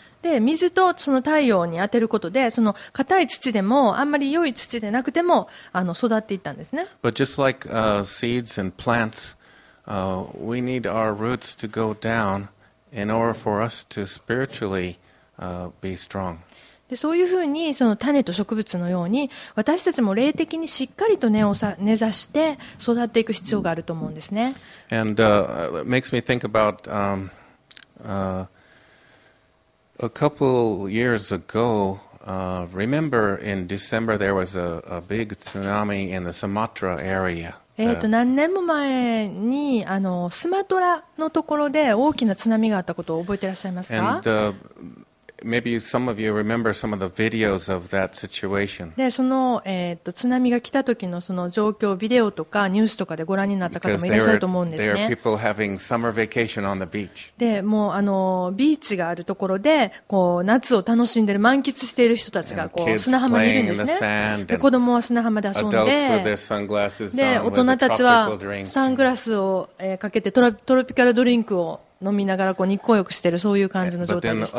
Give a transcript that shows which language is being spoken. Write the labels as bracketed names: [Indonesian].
[Japanese] で水とその太陽に当てることでその硬い土でもあんまり良い土でなくてもあの育っていったんですね。 [English] But just like seeds and plants, we need our roots to go down in order for us to spiritually be strong. [Japanese] でそういうふうにその種と植物のように私たちも霊的にしっかりと根ざして育っていく必要があると思うんですね。 [English] And it makes me think about a couple years ago, remember in December there was a big tsunami in the Sumatra area. [Japanese] 何年も前にあのスマトラのところで大きな津波があったことを覚えてらっしゃいますか？ [English] And, Maybe some of you remember some of the videos of that situation. [Japanese] で、その、津波が来た時のその状況、ビデオとかニュースとかでご覧になった方もいらっしゃると思うんですね。 [English] There are people having summer vacation on the beach. [Japanese] で、もうあのビーチがあるところで、こう夏を楽しんでる、満喫している人たちがこう砂浜にいるんですね。で、子供は砂浜で遊んで、で、大人たちはサングラスをかけてトロピカルドリンクを飲みながらこう日光浴してるそういう感じの状態でした。